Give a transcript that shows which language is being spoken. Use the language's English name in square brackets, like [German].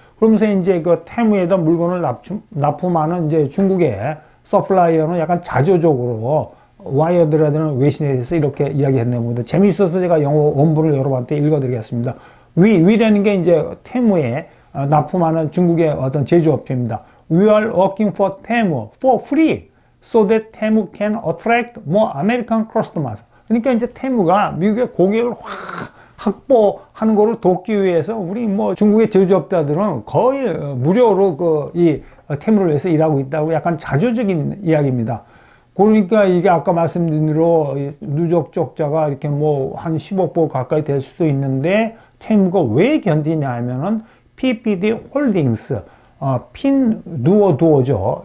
[Korean] 그러면서 이제 그 테무에다 물건을 납품하는 이제 중국의 서플라이어는 약간 자조적으로 와이어드라는 외신에 대해서 이렇게 이야기했네요. 뭐 재미있어서 제가 영어 원문을 여러분한테 읽어드리겠습니다. 위라는 게 이제 테무에 납품하는 중국의 어떤 제조업체입니다. [English] We are working for Temu for free so that Temu can attract more American customers. [Korean] 그러니까 이제 테무가 미국의 고객을 확 확보하는 거를 돕기 위해서 우리 뭐 중국의 제조업자들은 거의 무료로 그 이 테무를 위해서 일하고 있다고 약간 자조적인 이야기입니다. 그러니까 이게 아까 말씀드린 대로 누적 적자가 이렇게 뭐 한 15% 가까이 될 수도 있는데 테무가 왜 견디냐 하면은 PPD Holdings, 핀 누워 두어죠.